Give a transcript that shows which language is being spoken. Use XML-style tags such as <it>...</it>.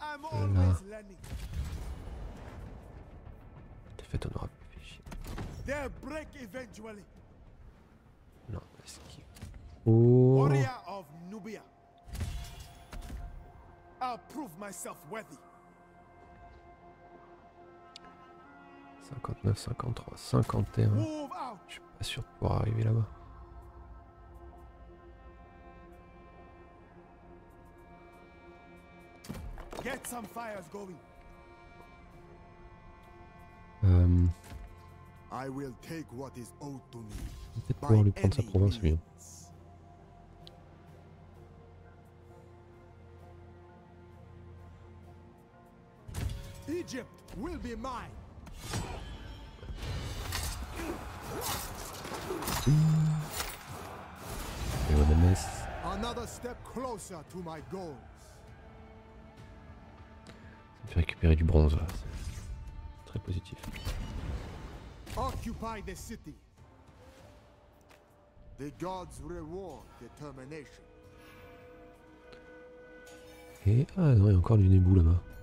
<fr>Voilà. T'es fait honorable, fais chier.</fr> <en>They'll break eventually. Warrior of Nubia. I'll prove myself worthy. 59, 53, 51.</en> <fr>Je suis pas sûr de pouvoir arriver là-bas.</fr> <en>Get some fires going. I will take what is owed to me.</en> <fr>Peut-être pouvoir lui prendre sa province, lui.</fr> <en>Egypt will be mine.</en> <fr>Et on a mis.</fr> <en>Another step closer to my goals.</en> <fr>Ça me fait récupérer du bronze là. C'est très positif.</fr> <en>Occupy the city. The gods reward determination.</en> <fr>Et ah non, il y a encore du nébou là-bas.</fr>